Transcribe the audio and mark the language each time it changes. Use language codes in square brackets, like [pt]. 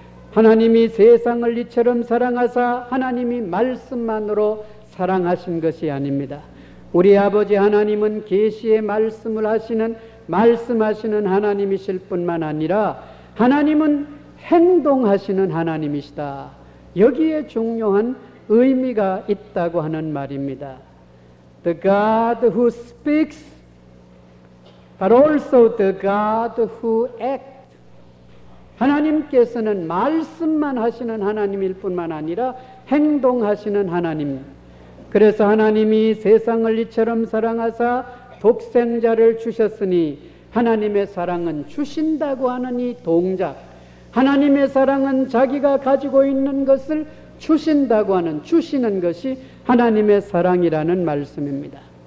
[ko] 하나님이 세상을 이처럼 사랑하사 하나님이 말씀만으로 사랑하신 것이 아닙니다. 우리 아버지 하나님은 계시의 말씀을 하시는 말씀하시는 하나님이실 뿐만 아니라 하나님은 행동하시는 하나님이시다. 여기에 중요한 의미가 있다고 하는 말입니다. [en] The God who speaks, but also the God who acts. [ko] 하나님께서는 말씀만 하시는 하나님일 뿐만 아니라 행동하시는 하나님. 그래서 하나님이 세상을 이처럼 사랑하사 독생자를 주셨으니 하나님의 사랑은 주신다고 하는 이 동작, 하나님의 사랑은 자기가 가지고 있는 것을 주신다고 하는 주시는 것이 하나님의 사랑이라는 말씀입니다.